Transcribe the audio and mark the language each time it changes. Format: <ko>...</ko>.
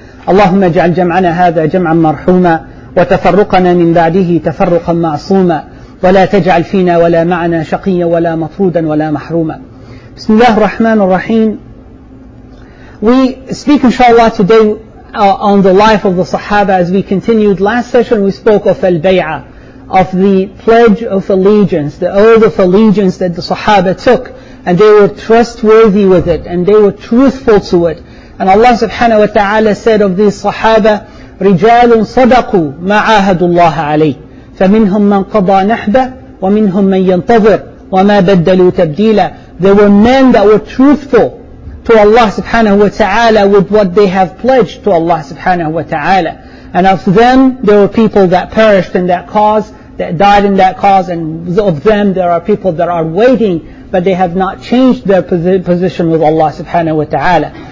<ar>اللهم اجعل جمعنا هذا جمعا مرحوما وتفرقنا من بعده تفرقا معصوما ولا تجعل فينا ولا معنا شقيا ولا مطرودا ولا محروما. بسم الله الرحمن الرحيم.</ar> <en>We speak inshallah today on the life of the Sahaba. As we continued last session, we spoke of al-bay'ah, of the pledge of allegiance, the oath of allegiance that the Sahaba took, and they were trustworthy with it and they were truthful to it. And Allah subhanahu wa ta'ala said of these sahaba,</en> <ar>رِجَالٌ صَدَقُوا مَا عَاهَدُ اللَّهَ عَلَيْهِ فَمِنْهُمْ مَنْ قَضَى نَحْبَ وَمِنْهُمْ مَنْ يَنْتَظِرْ وَمَا بَدَّلُوا تَبْدِيلًا.</ar> <en>There were men that were truthful to Allah subhanahu wa ta'ala with what they have pledged to Allah subhanahu wa ta'ala. And of them, there were people that perished in that cause, that died in that cause, and of them, there are people that are waiting, but they have not changed their position with Allah subhanahu wa ta'ala.</en>